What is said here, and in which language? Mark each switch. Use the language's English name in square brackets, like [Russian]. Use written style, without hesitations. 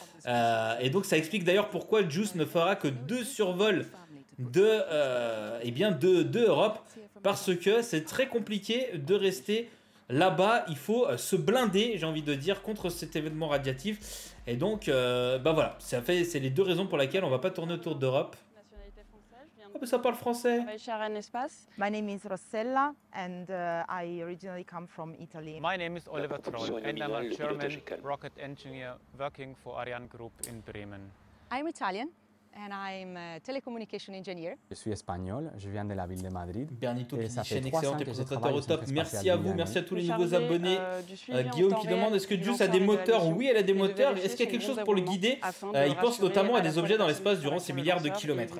[French] Et donc, ça explique d'ailleurs pourquoi JUICE ne fera que deux survols de, eh bien de Europe, parce que c'est très compliqué de rester là-bas. Il faut se blinder, j'ai envie de dire, contre cet événement radiatif. Et donc, bah voilà, ça fait, c'est les deux raisons pour lesquelles on ne va pas tourner autour d'Europe. Ça parle français. [English] My name is Rossella and I originally come from Italy. My name is Oliver Troll and I'm a German rocket engineer working for Ariane Group in Bremen. I'm Italian and I'm a telecommunication engineer. [French] Je suis espagnol, je viens de la ville de Madrid. Bernito qui dit chaîne excellente et présentateur au top. Merci à vous, merci à tous les nouveaux abonnés. Guillaume qui demande est-ce que JUICE a des moteurs? Oui, elle a des moteurs. Est-ce qu'il y a quelque chose pour le guider? Il pense notamment à des objets dans l'espace durant ces milliards de kilomètres.